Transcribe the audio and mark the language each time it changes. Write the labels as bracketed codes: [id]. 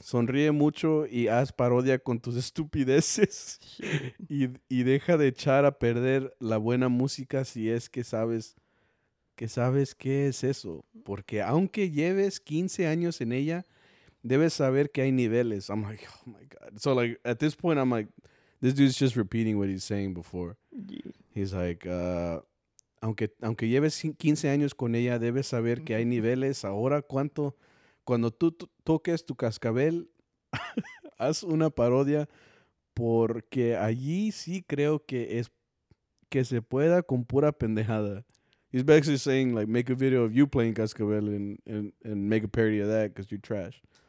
[es] Sonríe mucho y haz parodia con tus estupideces. y deja de echar a perder la buena música si es que sabes... ¿Qué sabes qué es eso? Porque aunque lleves 15 años en ella, debes saber que hay niveles. [en] I'm like, oh my God. So, like, at this point, I'm like, this dude's just repeating what he's saying before. Yeah. He's like, [es] aunque lleves 15 años con ella, debes saber mm-hmm. que hay niveles. Ahora, cuando tú toques tu cascabel, haz una parodia, porque allí sí creo que se pueda con pura pendejada. [en] He's basically saying, like, make a video of you playing cascabel and make a parody of that because you're trash.